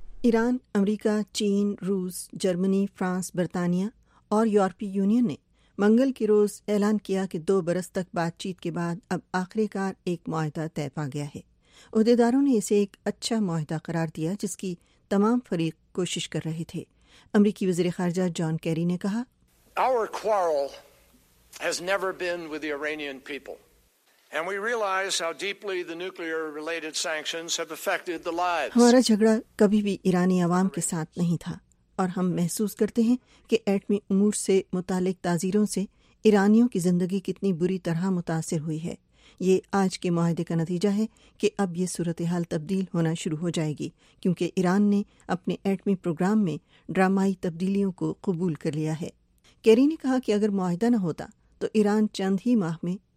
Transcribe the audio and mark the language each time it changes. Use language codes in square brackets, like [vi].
[ur] ایران، امریکہ، چین، روس، جرمنی، فرانس، برطانیہ اور یورپی یونین نے منگل کے روز اعلان کیا کہ دو برس تک بات چیت کے بعد اب آخری کار ایک معاہدہ طے پا گیا ہے۔ عہدیداروں نے اسے ایک اچھا معاہدہ قرار دیا جس کی تمام فریق کوشش کر رہے تھے۔ امریکی وزیر خارجہ جان کیری نے کہا، [en] Our quarrel has never been with the Iranian people and we realize how deeply the nuclear related sanctions have affected the lives۔ [ur] ہمارا جھگڑا کبھی بھی ایرانی عوام کے ساتھ نہیں تھا اور ہم محسوس کرتے ہیں کہ ایٹمی امور سے متعلق تعزیروں سے ایرانیوں کی زندگی کتنی بری طرح متاثر ہوئی ہے۔ یہ آج کے معاہدے کا نتیجہ ہے کہ اب یہ صورتحال تبدیل ہونا شروع ہو جائے گی کیونکہ ایران نے اپنے ایٹمی پروگرام میں ڈرامائی تبدیلیوں کو قبول کر لیا ہے۔ کیری نے کہا کہ اگر معاہدہ نہ ہوتا تو ایران چند ہی ماہ میں